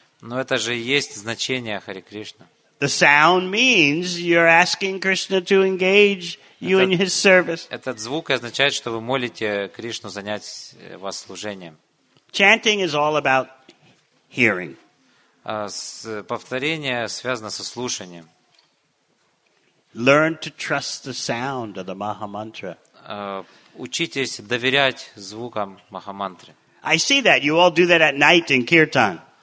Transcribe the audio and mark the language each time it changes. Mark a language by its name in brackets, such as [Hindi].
[Russian] Но это же есть значение Hare Krishna. [English] The sound means you're asking Krishna to engage you in his service. [Russian] Этот звук означает, что вы молите Кришну занять вас служением. [English] Chanting is all about hearing. [Russian] Повторение связано со слушанием. [English] Learn to trust the sound of the Mahamantra. [Russian] Учитесь доверять звукам Махамантры. [English] I see that. You all do that at night in Kirtan.